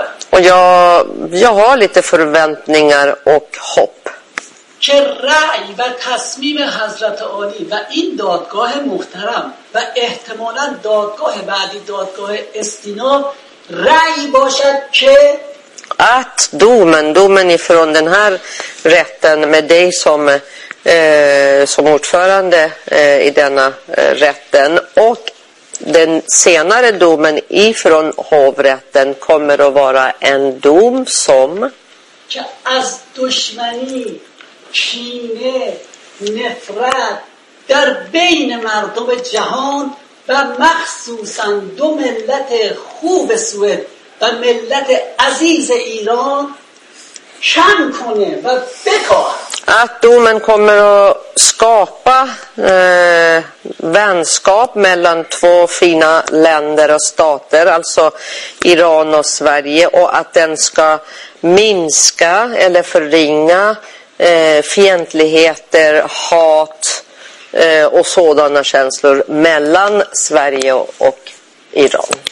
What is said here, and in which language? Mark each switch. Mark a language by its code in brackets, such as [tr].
[sv] Och jag har lite förväntningar och hopp. [fa] که رأی و تصمیم حضرت عالی و این دادگاه محترم و احتمالاً دادگاه بعدی دادگاه استیناف رأی باشد که [sv] att domen ifrån den här rätten med dig som ordförande i denna rätten och den senare domen ifrån hovrätten kommer att vara en dom som [fa] که از دشمنی کینه نفرت در بین مردم جهان و مخصوصا دو ملت خوب سوئد و ملت عزیز ایران کم کنه و بکاه [sv] att domen kommer att skapa vänskap mellan två fina länder och stater, alltså Iran och Sverige, och att den ska minska eller förringa fientligheter, hat och sådana känslor mellan Sverige och Iran.